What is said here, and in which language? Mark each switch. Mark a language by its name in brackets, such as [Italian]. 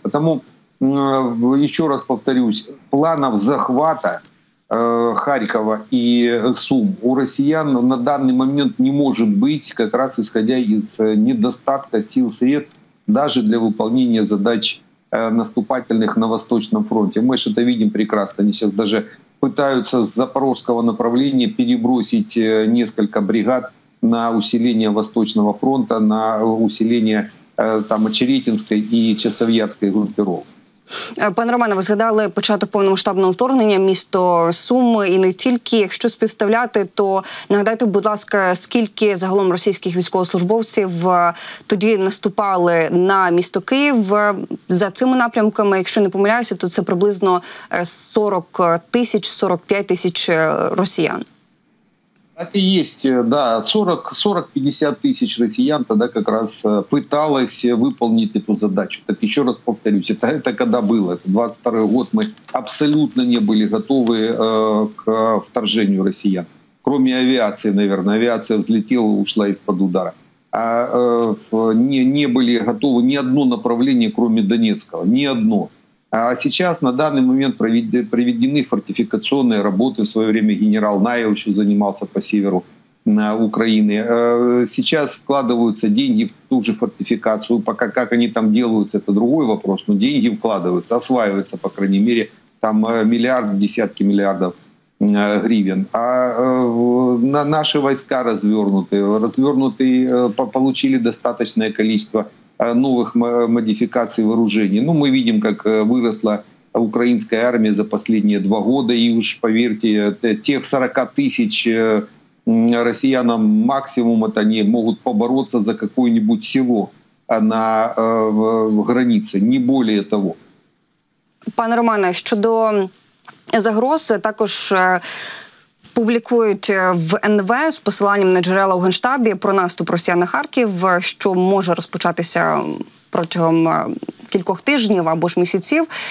[Russian] Потому, еще раз повторюсь, планов захвата Харькова и Сум у россиян на данный момент не может быть, как раз исходя из недостатка сил, средств даже для выполнения задач наступательных на Восточном фронте. Мы же это видим прекрасно. Они сейчас даже пытаются с запорожского направления перебросить несколько бригад на усиление Восточного фронта, на усиление там Очеретинской и Часовьярской группировок. [Ukrainian] Пане Романе, ви згадали початок повномасштабного вторгнення, місто Суми, і не тільки. Якщо співставляти, то нагадайте, будь ласка, скільки загалом російських військовослужбовців тоді наступали на місто Київ за цими напрямками. Якщо не помиляюся, то це приблизно 40 тисяч, 45 тисяч росіян. Так і є, да, 40-50 тисяч росіян тоді якраз [Russian] пыталась [Ukrainian] виконати ту задачу. Так ще раз повторюсь, це коли було? 22-й рік ми абсолютно не були готові [Russian] к вторженню [Ukrainian] росіян. [Russian] Кроме [Ukrainian] авіації, [Russian] наверное, авіація взлетіла, ушла із-под удара. [Ukrainian] А не були готові ні одно направлення, [Russian] кроме [Ukrainian] Донецького, ні одно. [Russian] А сейчас на данный момент проведены фортификационные работы. В свое время генерал Наев еще занимался по северу Украины. Сейчас вкладываются деньги в ту же фортификацию. Пока как они там делаются, это другой вопрос. Но деньги вкладываются, осваиваются, по крайней мере, там миллиард, десятки миллиардов гривен. А на наши войска развернуты, получили достаточное количество новых модификаций вооружений. Ну, мы видим, как выросла украинская армия за последние два года. И уж поверьте, тех 40 тысяч россиянам максимум, это они могут побороться за какое-нибудь село на границе, не более того. [Ukrainian] Пане Романе, щодо загроз, також публікують в НВ з посиланням на джерела у Генштабі про наступ росіян на Харків, що може розпочатися протягом кількох тижнів або ж місяців.